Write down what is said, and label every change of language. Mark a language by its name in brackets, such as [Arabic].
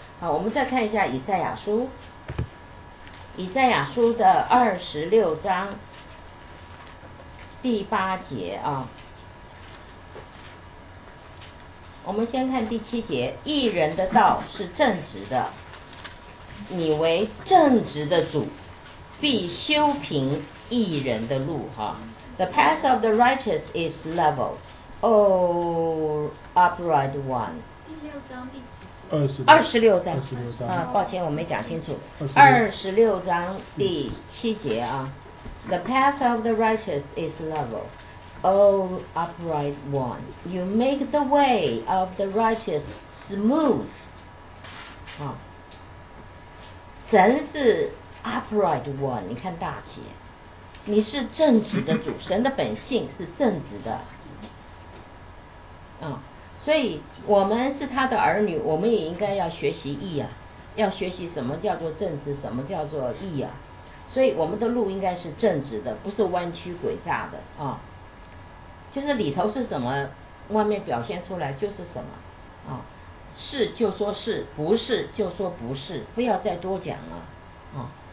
[Chinese] 好，我们再看一下以赛亚书，以赛亚书的26章第8节啊，我们先看第7节，义人的道是正直的，你为正直的主必修平义人的路哈。 [English] The path of the righteous is level, O upright one. [Chinese] 26章。抱歉，我没讲清楚。26章第7节啊。 [English] The path of the righteous is level, O upright one. You make the way of the righteous smooth. [Chinese] 啊，神是 upright one， 你看大写。你是正直的主，神的本性是正直的，啊，所以我们是他的儿女，我们也应该要学习义啊，要学习什么叫做正直，什么叫做义啊，所以我们的路应该是正直的，不是弯曲诡诈的啊，就是里头是什么，外面表现出来就是什么啊，是就说是，不是就说不是，不要再多讲了啊。